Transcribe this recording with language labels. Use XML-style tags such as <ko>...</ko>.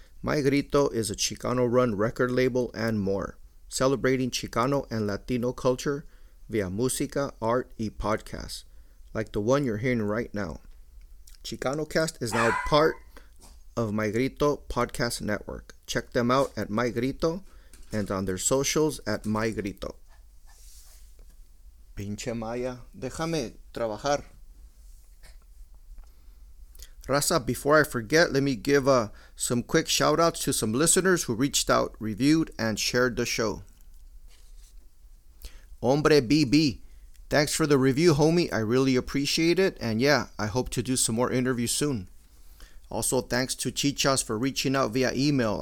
<en>My Grito is a Chicano-run record label and more, celebrating Chicano and Latino culture via música, art, y podcasts, like the one you're hearing right now. ChicanoCast is now part of My Grito Podcast Network. Check them out at My Grito and on their socials at My Grito.</en> <es>Pinche Maya, déjame trabajar.</es> <en>Raza, before I forget, let me give some quick shout-outs to some listeners who reached out, reviewed, and shared the show. Hombre BB, thanks for the review, homie. I really appreciate it. And yeah, I hope to do some more interviews soon. Also, thanks to Chichas for reaching out via email.</en>